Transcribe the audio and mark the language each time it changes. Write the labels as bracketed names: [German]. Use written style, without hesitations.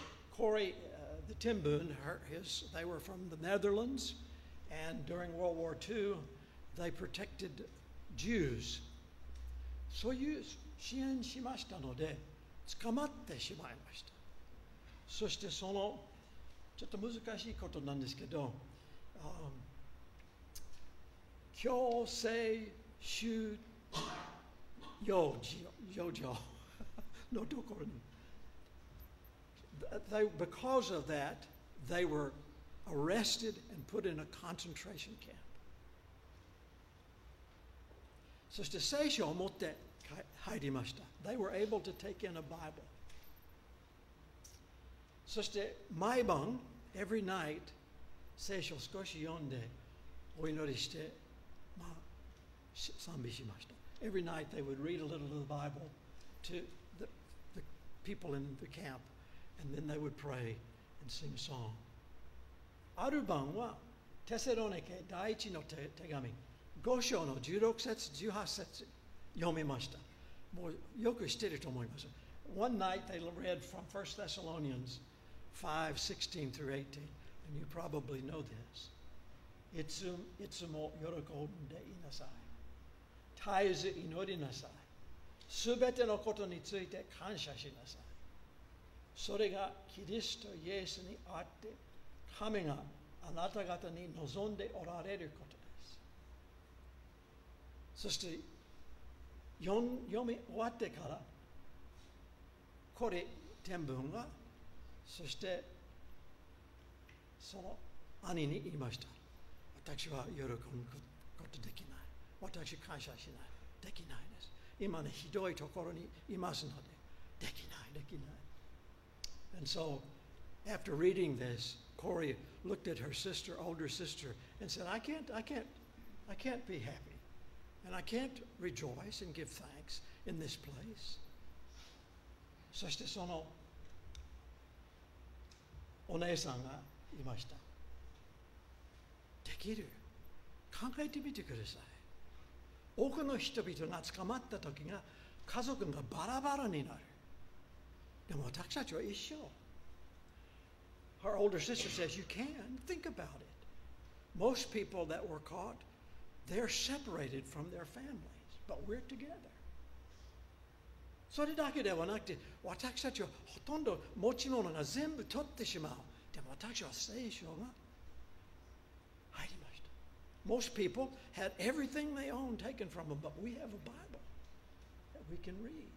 [English] Corrie, the Ten Boom, they were from the Netherlands, and during World War II, they protected Jews. [Japanese] そういう支援しましたので、捕まってしまいました。そしてその、ちょっと難しいことなんですけど、強制収容所のところに。 [English] Because of that, they were arrested and put in a concentration camp. [Japanese] そして聖書を持って入りました。 [English] They were able to take in a Bible. [Japanese] そして毎晩、 [English] every night, [Japanese] 聖書を少し読んでお祈りして、まあ、賛美しました。 [English] Every night they would read a little of the Bible to the people in the camp, and then they would pray and sing a song. [Japanese] ある晩は、テセロニケ第一の手紙、五章の16節、18節、読みました。もうよく知っていると思います。 [English] One night they read from 1 Thessalonians 5, 16 through 18, and you probably know this. [Japanese] いつも喜んでいなさい。絶えず祈りなさい。すべてのことについて感謝しなさい。それがキリストイエスにあって、神があなた方に望んでおられることです。そして、読み終わってから、これ、天文が、そして、その兄に言いました。私は喜ぶことできない。私感謝しない。できないです。今ね、ひどいところにいますので、できない、できない。 [English] And so, after reading this, Corrie looked at her sister, older sister, and said, I can't be happy. And I can't rejoice and give thanks in this place. [Japanese] そしてそのお姉さんがいました。できる。考えてみてください。多くの人々が捕まった時が家族がバラバラになる。でも私たちは一緒。 [English] Our older sister says you can. Think about it. Most people that were caught, they're separated from their families, but we're together. [Japanese] それだけではなくて、私たちはほとんど持ち物が全部取ってしまう。でも私は聖書が入りました。 [English] Most people had everything they owned taken from them, but we have a Bible that we can read.